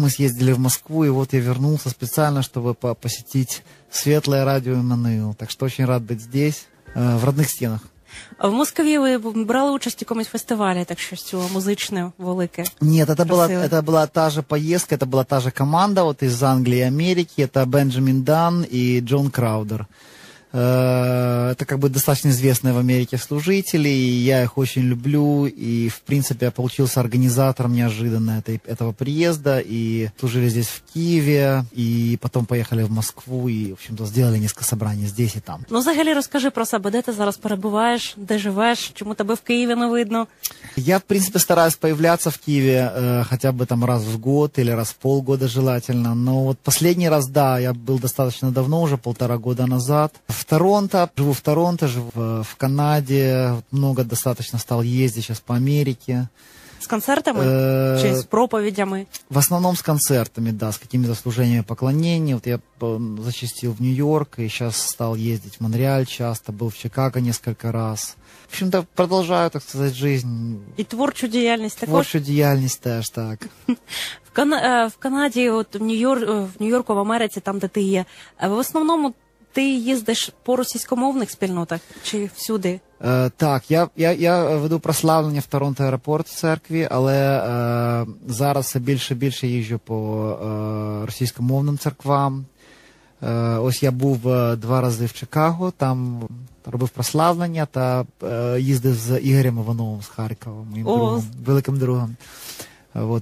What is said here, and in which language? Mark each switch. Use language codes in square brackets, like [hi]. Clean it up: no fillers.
[uk] Ми з'їздили в Москву, і от я вернувся спеціально, щоб посетити Світле радіо Еммануил. Так що дуже рад бути здесь, в рідних стінах. А в Москві ви брали участь у якомусь фестивалі, так що цього музичне велике? Ні, це була та ж поїздка, це була та ж команда, от із Англії, Америки, це Бенджамін Данн і Джон Краудер. [ru] Это как бы достаточно известные в Америке служители, и я их очень люблю, и в принципе я получился организатором неожиданно этого приезда, и служили здесь в Киеве, и потом поехали в Москву, и в общем-то сделали несколько собраний здесь и там. [uk] Ну, взагалі расскажи про себе, де ти зараз перебуваєш, де живеш, чому тебе в Києві не видно? [ru] Я, в принципе, стараюсь появляться в Киеве хотя бы там раз в год или раз в полгода желательно, но вот последний раз, да, я был достаточно давно, уже полтора года назад. В Торонто, живу в Торонто, живу в Канаде, много достаточно стал ездить сейчас по Америке. С концертами? Чи с проповедями? В основном с концертами, да, с какими-то служениями поклонения. Вот я зачастил в Нью-Йорк и сейчас стал ездить в Монреаль часто, был в Чикаго несколько раз. В общем-то, продолжаю, так сказать, жизнь. И творчую деятельность также? Творчую деятельность тоже, так. В Канаде, вот в Нью-Йорку, в Америке, там, где ты є, в основном... [uk] Ти їздиш по російськомовних спільнотах чи всюди? Так, я веду прославлення в Торонто аеропорт в церкві, але зараз все більше їжджу по російськомовним церквам. Ось я був два рази в Чикаго, там робив прославлення та їздив з Ігорем Івановим з Харкова, моїм другом, великим другом. Вот.